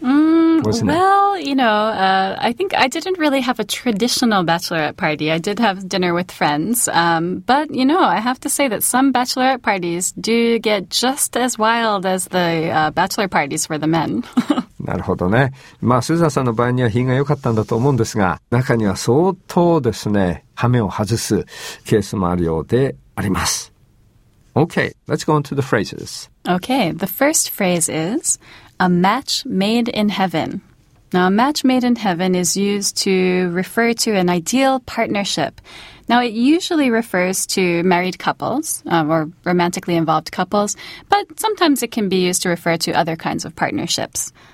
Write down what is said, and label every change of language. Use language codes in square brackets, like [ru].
[en] I think I didn't really have a traditional bachelorette party. I did have dinner with friends. But, you know, I have to say that some bachelorette parties do get just as wild as the bachelor parties for the men. [ja] なるほどね。まあ、スーザンさんの場合には品が良かったんだと思うんですが、中には相当ですね、羽目を外すケースもあるようであります。 [en] Okay, let's go on to the phrases. Okay, the first phrase is a match made in heaven. Now, a match made in heaven is used to refer to an ideal partnership. Now, it usually refers to married couples, or romantically involved couples, but sometimes it can be used to refer to other kinds of partnerships.